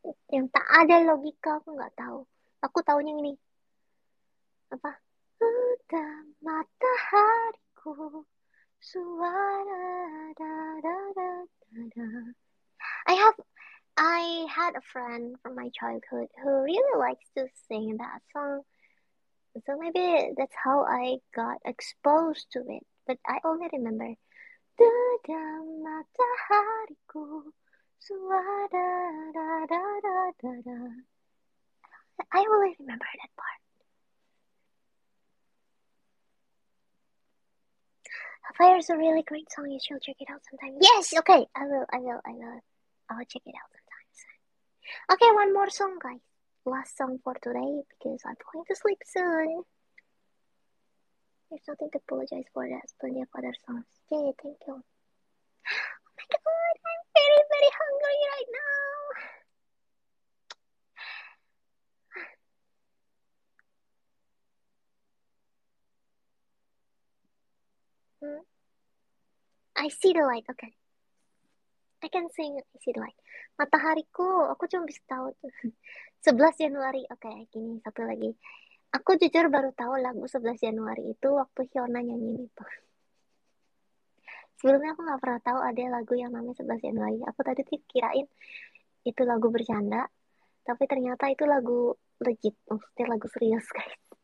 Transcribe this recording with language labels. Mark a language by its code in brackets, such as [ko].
[id] Yang tak ada logika aku nggak tahu. Aku tahunya ini. Apa? Utam matahariku suara da, da, da, da, da. [en] I had a friend from my childhood who really likes to sing that song. So maybe that's how I got exposed to it. But I only remember [id] Utam matahariku suara da, da, da, da, da. [en] I only remember that part. Fire is a really great song. You should check it out sometime. Yes, okay. I will check it out sometime. Okay, one more song, guys. Last song for today because I'm going to sleep soon. There's nothing to apologize for. There's plenty of other songs. Yay, thank you. Oh my god, I'm very, very hungry right now. I see the light, okay. I can sing I see the light. [id] Matahariku, aku cuma bisa tahu tuh. 11 Januari, oke, okay, gini, satu lagi. Aku jujur baru tahu lagu 11 Januari itu waktu Hyona nyanyi itu. Sebelumnya aku nggak pernah tahu ada lagu yang namanya 11 Januari. Aku tadi kirain itu lagu bercanda, tapi ternyata itu lagu legit, maksudnya lagu serius, guys.